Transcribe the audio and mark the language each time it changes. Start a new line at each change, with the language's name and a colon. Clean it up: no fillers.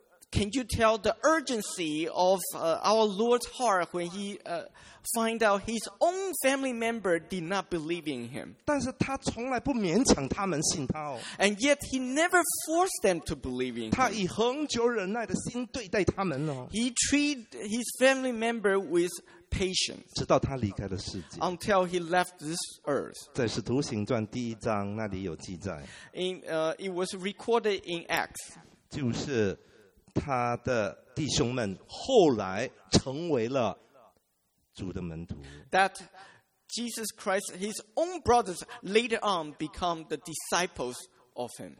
English: Can you tell the urgency of our Lord's heart when he find out his own family member did not believe in him?
Chinese: 但是他从来不勉强他们信他哦。
English: And yet he never forced them to believe in him.
Chinese: 他以恒久忍耐的心对待他们哦。
English: He treat his family member with patience.
Chinese: 直到他离开了世界。
English: Until he left this earth.
Chinese: 在使徒行传第一章那里有记载。
English: It was recorded in Acts.
Chinese: 就是他的弟兄们后来成为了主的门徒。
English: That Jesus Christ, his own brothers, later on become the disciples of him.